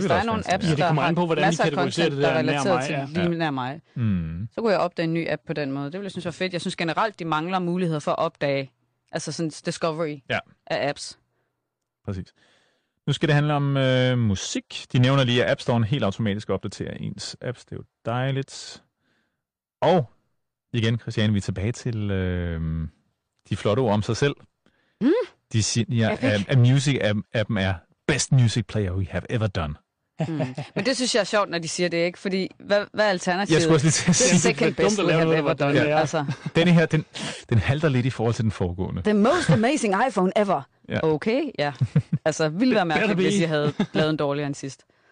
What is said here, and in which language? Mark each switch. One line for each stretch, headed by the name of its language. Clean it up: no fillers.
Danish: hvis der er nogle apps, der har masser af content, der er relateret til lige nær mig, så kunne jeg opdage en ny app på den måde. Det ville jeg synes var fedt. Jeg synes generelt, de mangler muligheder for at opdage, altså sådan discovery af apps. Præcis. Nu skal det handle om musik. De nævner lige, at App Store helt automatisk opdaterer ens apps. Det er jo dejligt. Og igen, Christiane, vi er tilbage til de flotte ord om sig selv. Mm. De siger, at music appen er
English: best music player we have ever done.
Danish: Men det synes jeg er sjovt, når de siger det, ikke? Fordi, hvad er alternativet? Jeg skulle også lige til at sige, det er
English: second best we have ever done.
Danish: Ja. Altså. Denne her, den halter lidt i forhold til den foregående.
English: The most amazing iPhone ever.
Danish: Ja. Okay, ja. Altså, ville være mærkeligt, hvis jeg havde lavet en dårligere end sidst.